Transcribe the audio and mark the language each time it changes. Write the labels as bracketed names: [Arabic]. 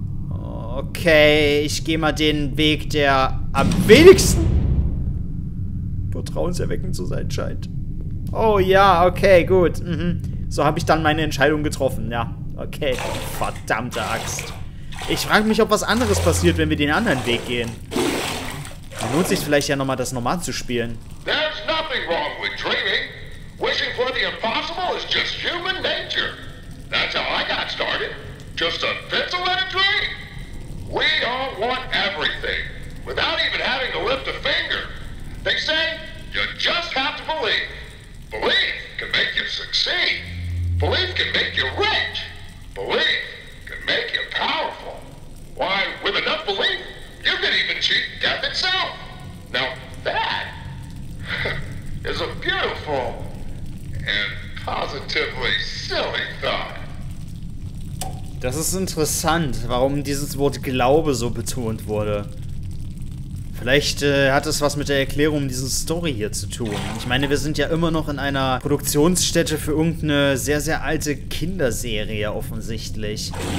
[German] Okay, ich gehe mal den Weg, der am wenigsten vertrauenserweckend zu sein scheint. Oh ja, okay, gut. Mhm. So habe ich dann meine Entscheidung getroffen. Ja, okay. Verdammte Axt. Ich frage mich, ob was anderes passiert, wenn wir den anderen Weg gehen. Da lohnt sich vielleicht ja nochmal, das normal zu spielen. [English] There's nothing wrong with dreaming. Wishing for the impossible is just human nature. That's how I got started. Just a pencil and a dream. We don't want everything. Without even having to lift a finger. They say, you just have to believe. Belief can make you succeed. Belief can make you rich. Belief can make you powerful. Why, with enough belief, you can even cheat death itself. Now, that is a beautiful and positively silly thought. [German] Das ist interessant, warum dieses Wort Glaube so betont wurde. Vielleicht hat es was mit der Erklärung dieser Story hier zu tun. Ich meine, wir sind ja immer noch in einer Produktionsstätte für irgendeine sehr, sehr alte Kinderserie offensichtlich.